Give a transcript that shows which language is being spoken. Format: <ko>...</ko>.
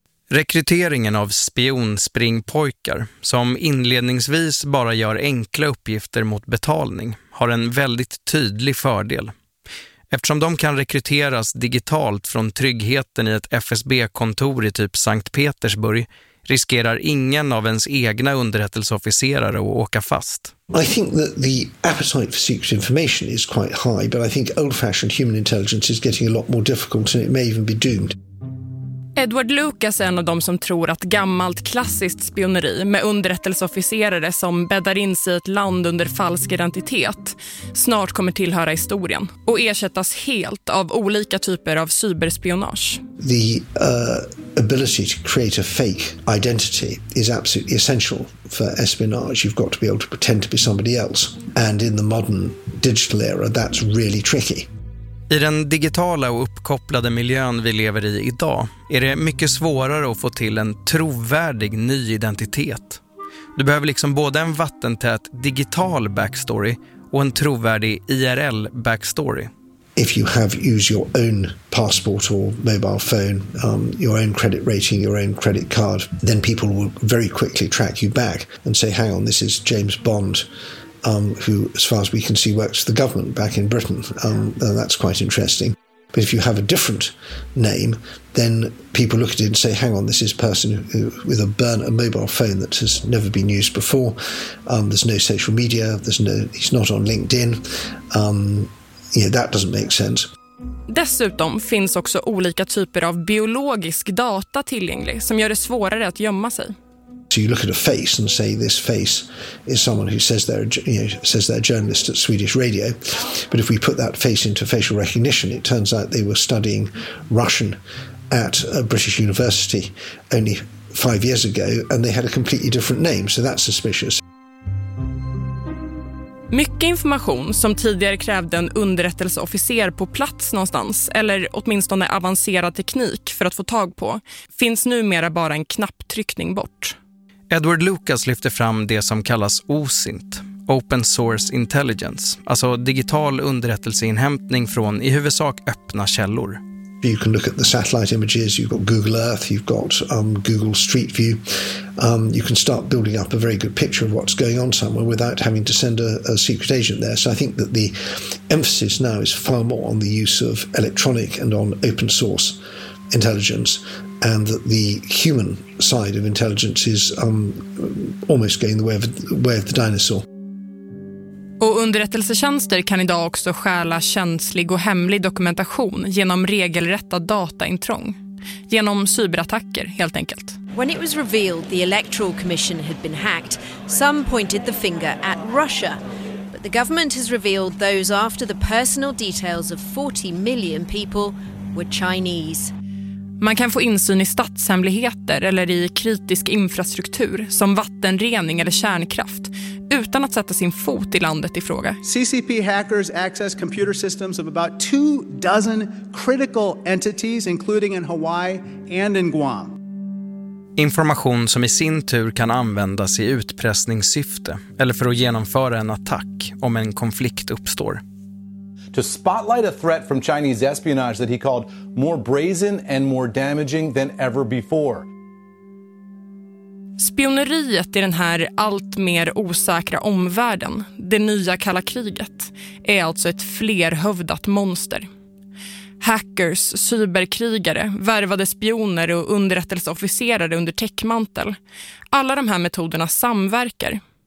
<sv>Rekryteringen av spionspringpojkar, som inledningsvis bara gör enkla uppgifter mot betalning, har en väldigt tydlig fördel. Eftersom de kan rekryteras digitalt från tryggheten i ett FSB-kontor i typ Sankt Petersburg, riskerar ingen av ens egna underrättelseofficerare att åka fast.</sv> <en>I think that the appetite for secret information is quite high, but I think old-fashioned human intelligence is getting a lot more difficult and it may even be doomed.</en> <sv>Edward Lucas är en av dem som tror att gammalt klassiskt spioneri med underrättelseofficerare som bäddar in sig i ett land under falsk identitet snart kommer tillhöra historien och ersättas helt av olika typer av cyberspionage.</sv> <en>The ability to create a fake identity is absolutely essential for espionage. You've got to be able to pretend to be somebody else. And in the modern digital era, that's really tricky.</en> <sv>I den digitala och uppkopplade miljön vi lever i idag är det mycket svårare att få till en trovärdig ny identitet. Du behöver liksom både en vattentät digital backstory och en trovärdig IRL backstory.</sv> <en>If you have used your own passport or mobile phone, your own credit rating, your own credit card, then people will very quickly track you back and say, hang on, this is James Bond. Who, as far as we can see, works for the government back in Britain. And that's quite interesting. But if you have a different name, then people look at it and say, hang on, this is a person who, with a mobile phone that has never been used before. There's no social media. He's not on LinkedIn. That doesn't make sense.</en> <sv>Dessutom finns också olika typer av biologisk data tillgänglig som gör det svårare att gömma sig.</sv> <en>So you look at a face and say this face is someone who says they're a journalist at Swedish radio. But if we put that face into facial recognition, it turns out they were studying Russian at a British university only 5 years ago and they had a completely different name. So that's suspicious.</en> <sv>Mycket information som tidigare krävde en underrättelseofficer på plats någonstans eller åtminstone avancerad teknik för att få tag på finns numera bara en knapptryckning bort. Edward Lucas lyfter fram det som kallas OSINT, Open Source Intelligence, alltså digital underrättelseinhämtning från i huvudsak öppna källor.</sv> <en>You can look at the satellite images, you've got Google Earth, you've got Google Street View. You can start building up a very good picture of what's going on somewhere without having to send a secret agent there. So I think that the emphasis now is far more on the use of electronic and on open source intelligence. And that the human side of intelligence is almost going the way of the dinosaur.</en> <sv>Och underrättelsetjänster kan idag också stjäla känslig och hemlig dokumentation genom regelrätta dataintrång, genom cyberattacker helt enkelt.</sv> <en>When it was revealed the Electoral Commission had been hacked, some pointed the finger at Russia. But the government has revealed those after the personal details of 40 million people were Chinese.</en> <sv>Man kan få insyn i statshemligheter eller i kritisk infrastruktur som vattenrening eller kärnkraft utan att sätta sin fot i landet i fråga.</sv> <en>CCP hackers access computer systems of about 24 critical entities including in Hawaii and in Guam.</en> <sv>Information som i sin tur kan användas i utpressningssyfte eller för att genomföra en attack om en konflikt uppstår.</sv> <en>To spotlight a threat from Chinese espionage that he called more brazen and more damaging than ever before.</en> <sv>Spioneriet i den här allt mer osäkra omvärlden, det nya kalla kriget, är alltså ett flerhövdat monster. Hackers, cyberkrigare, värvade spioner och underrättelseofficerare under täckmantel. Alla de här metoderna samverkar.</sv>